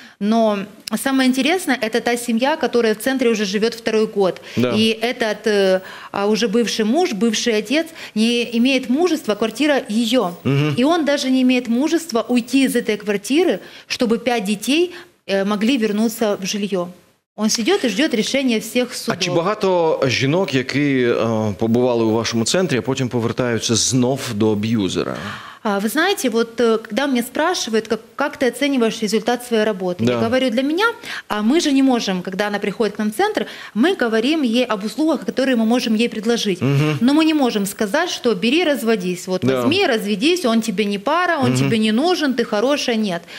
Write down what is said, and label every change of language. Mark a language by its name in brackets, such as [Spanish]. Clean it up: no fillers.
[Russian] Но самое интересное, это та семья, которая в центре уже живет второй год. Да. И этот уже бывший муж, бывший отец не имеет мужества, квартира ее. И он даже не имеет мужества уйти из этой квартиры, чтобы 5 детей могли вернуться в жилье. Он сидит и ждет решения всех судов. [Ukrainian] А чи багато жінок, які побували у вашому центрі, а потім повертаються знов до аб'юзера? [Russian] Вы знаете, вот когда меня спрашивают, как ты оцениваешь результат своей работы, да. Я говорю, для меня, мы же не можем, когда она приходит к нам в центр, мы говорим ей об услугах, которые мы можем ей предложить. Но мы не можем сказать, что бери, разводись, вот возьми, разведись, он тебе не пара, он тебе не нужен, ты хорошая, нет.